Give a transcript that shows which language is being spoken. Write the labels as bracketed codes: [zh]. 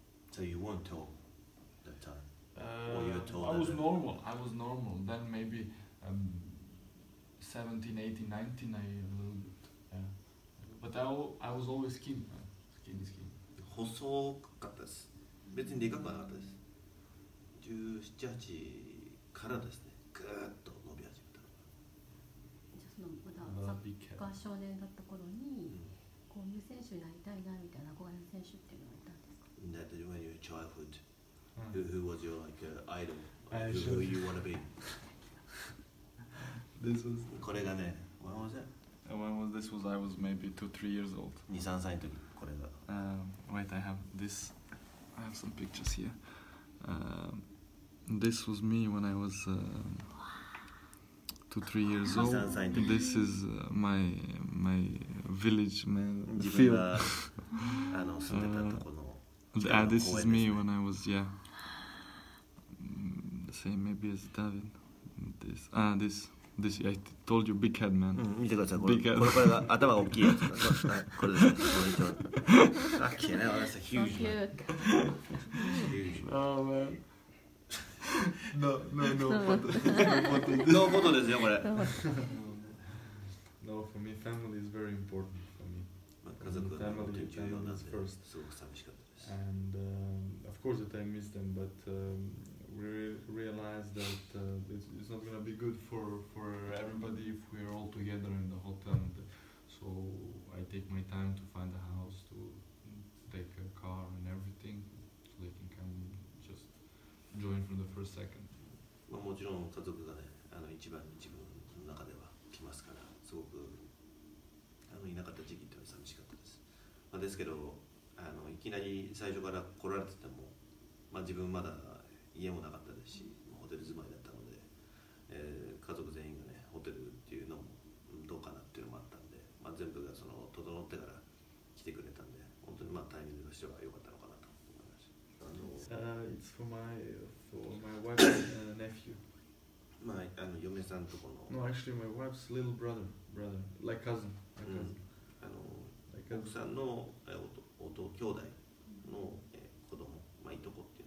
[en] So you weren't tall that time, or you were tall? I was normal. I was normal. Then maybe 17, 18, 19, I looked. But I was always skinny, skinny, skinny. [ja] 細かったです。別にでかくはなかったです。 17、18からですね。ぐーっと伸び始めた。じゃあそのまだサッカー少年だった頃に、こういう選手になりたいなみたいな憧れの選手っていうのはいたんですか？ [en] That when you were childhood, who was your like idol? Who you wanna be? This was. [ja] これがね。 [en] When was it? When was this? Was I was maybe 2-3 years old. [ja] 2-3 歳の時、これが。 [en] Wait, I have this. I have some pictures here. This was me when I was 2-3 years old. [ja] 2-3 歳の時。 [en] This is my village man. [ja] 自分が住んでたところの。 [en] This is me when I was yeah. Same maybe as David. This. This. This I told you, big head man. Look at this. Big head. This is the head. This is the head. This is the head. Okay, man. That's a huge man. Huge. Oh man. No, no, no. No photo. No photo. No, for me, family is very important for me. Family, family is first. And of course that I miss them, but. We realize that it's not gonna be good for everybody if we are all together in the hotel. And so I take my time to find a house, to take a car and everything, so they can come just join from the first second. [ja] まあもちろん家族がね一番に自分の中では来ますからすごくいなかった時期って寂しかったです。まあですけどいきなり最初から来られててもまあ自分まだ家もなかったですし、ホテル住まいだったので、家族全員がね、ホテルっていうのもどうかなっていうのもあったんで、まあ、全部がその整ってから来てくれたんで、本当にまあタイミングとしては良かったのかなと思いました [en] 。 It's for my wife's nephew. [ja] まあ、嫁さんとこの。 [en] No, actually, my wife's little brother, like cousin. Like cousin. [ja] 奥さんの弟兄弟の子供、まあ、いとこ。